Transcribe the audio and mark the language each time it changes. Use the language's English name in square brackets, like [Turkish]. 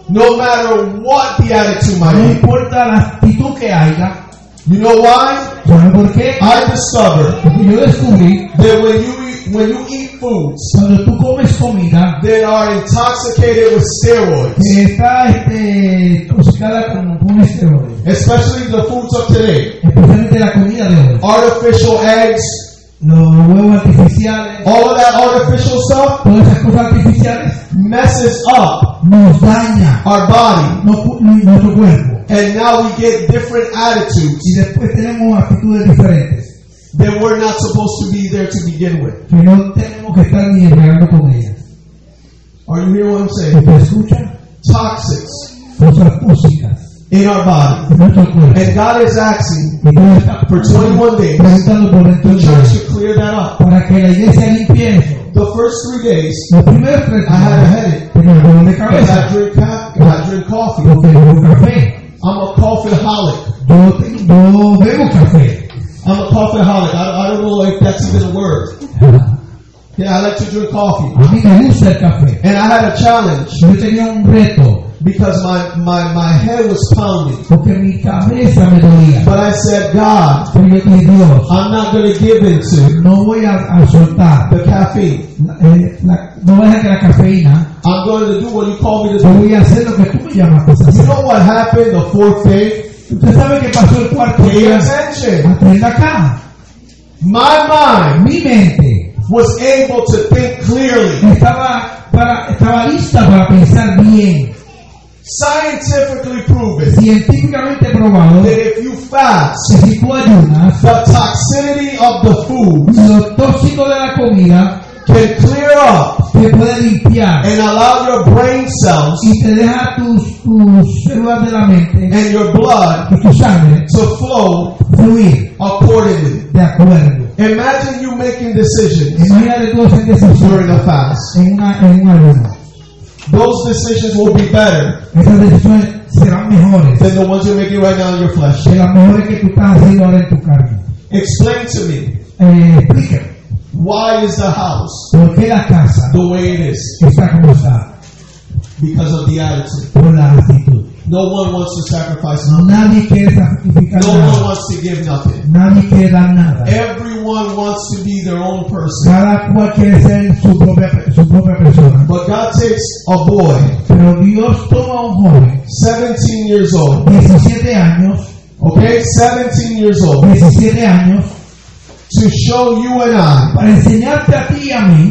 [English] No matter what the attitude might be. [Spanish] No importa la actitud que haya. [English] You know why? [Spanish] ¿Sabe por qué? [English] I discovered. [Spanish] Yo descubrí. [English] That when you eat foods. [Spanish] Cuando tú comes comida. [English] That are intoxicated with steroids. [Spanish] Que está intoxicada con algún esteroide. [English] Especially the foods of today. [Spanish] Especialmente la comida de hoy. [English] Artificial eggs. [Spanish] Los huevos artificiales. [English] All of that artificial stuff. [Spanish] Todas esas cosas artificiales. [English] Messes up. [Spanish] Nos daña. [English] Our body. [Spanish] Nuestro cuerpo. [English] And now we get different attitudes. [Spanish] Y después tenemos actitudes diferentes. [English] That we're not supposed to be there to begin with. [Spanish] Que no tenemos que estar ni regando con ellas. [English] Are you hearing what I'm saying? [Spanish] ¿Me escucha? [English] Toxics. [Spanish] Cosas tóxicas. [English] In our body. And God is asking for 21 days the church to clear that up. [Spanish] Para que la iglesia limpie eso. [English] The first 3 days, [Spanish] primeros, [English] I had a headache. [Spanish] De cabeza. [English] I drink coffee. [Spanish] Bebo café. [English] I'm a coffeeholic. [Spanish] Yo bebo café. [English] I'm a coffeeholic. I don't know if that's even a word. Yeah, I like to drink coffee. [Spanish] A mí me gusta el café. [English] And I had a challenge. [Spanish] Yo tenía un reto. [English] Because my head was pounding. [Spanish] Porque mi cabeza me dolía. [English] But I said, God, [Spanish] Dios, [English] I'm not going to give in to [Spanish] no voy a soltar [English] the caffeine. [Spanish] No voy a dejar la cafeína. [English] I'm going to do what you call me to do. [Spanish] Voy a hacer lo que tú me llamas a hacer. [English] You know what happened the fourth day? [Spanish] ¿Usted sabe qué pasó el cuarto día? [English] Pay attention. [Spanish] Atienda acá. [English] My mind, [Spanish] mi mente, [English] was able to think clearly. [Spanish] Estaba lista para pensar bien. [English] Scientifically proven. [Spanish] Científicamente probado. [English] That if you fast, [Spanish] que si tú ayunas, [English] the toxicity of the food, [Spanish] lo tóxico de la comida, [English] can clear up, [Spanish] te puede limpiar, [English] and allow your brain cells, [Spanish] y te deja tus células de la mente, [English] and your blood, [Spanish] y tu sangre, [English] to flow, [Spanish] fluir, [English] accordingly, [Spanish] de acuerdo. [English] Imagine you making decisions. [Spanish] Imagínate tú haciendo decisiones [English] during a fast. [Spanish] En una ayuna. [English] Those decisions will be better. [Spanish] Esas decisiones serán mejores. [English] Than the ones you're making right now in your flesh. [Spanish] Que las mejores que tú estás haciendo ahora en tu carne. [English] Explain to me. [Spanish] Explícame. [English] Why is the house? [Spanish] ¿Por qué la casa? [English] The way it is. [Spanish] Está como está. [English] Because of the attitude. [Spanish] Por la actitud. [English] No one wants to sacrifice. [Spanish] No, nadie quiere sacrificar no nada. [English] No one wants to give nothing. [Spanish] Nadie quiere dar nada. [English] Everyone wants to be their own person. [Spanish] Cada cual quiere ser su propia persona. [English] But God takes a boy. [Spanish] Pero Dios toma un joven. [English] 17 years old. [Spanish] 17 años. [English] Okay, 17 years old. [Spanish] 17 años. [English] To show you and I. [Spanish] Para enseñarte a ti y a mí.